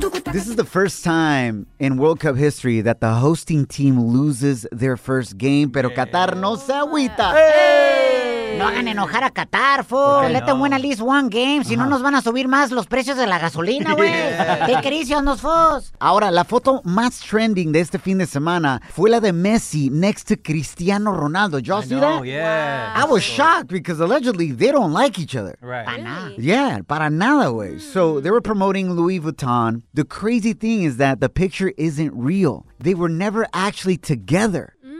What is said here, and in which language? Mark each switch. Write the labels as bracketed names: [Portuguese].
[English] This is the first time in World Cup history that the hosting team loses their first game, [Spanish] pero Qatar no se agüita. No hagan enojar a Qatar, fool. [English] Let them win at least one game. [Spanish] Si no, nos van a subir más los precios de la gasolina, güey. Qué crisis nos fos. Ahora, la foto más trending de este fin de semana fue la de Messi [English] next to [Spanish] Cristiano Ronaldo. [English] ¿Y'all see that? Yeah. Wow. I was shocked because allegedly they don't like each other. Right. [Spanish] Para nada. [English] Yeah, [Spanish] para nada, güey. [English] So they were promoting Louis Vuitton. The crazy thing is that the picture isn't real. They were never actually together.